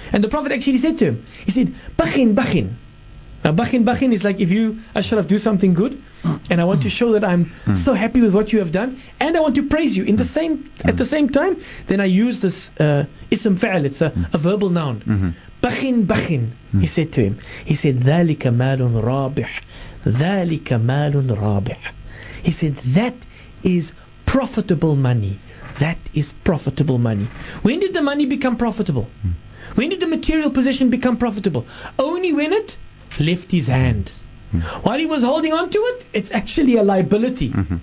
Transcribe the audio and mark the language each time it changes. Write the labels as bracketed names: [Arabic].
[English] And the Prophet actually said to him, he said, [Arabic] بَخِن بَخِن. [English] Now bakhin is like, if you, Ashraf, do something good and I want to show that I'm so happy with what you have done and I want to praise you in the same at the same time, then I use this ism fa'al, it's a verbal noun. Bakhin, he said to him. He said, [Arabic] ذَلِكَ مَالٌ رَابِح. ذَلِكَ مَالٌ رَابِح. [English] He said, that is profitable money. That is profitable money. When did the money become profitable? When did the material possession become profitable? Only when it left his hand. While he was holding on to it, it's actually a liability.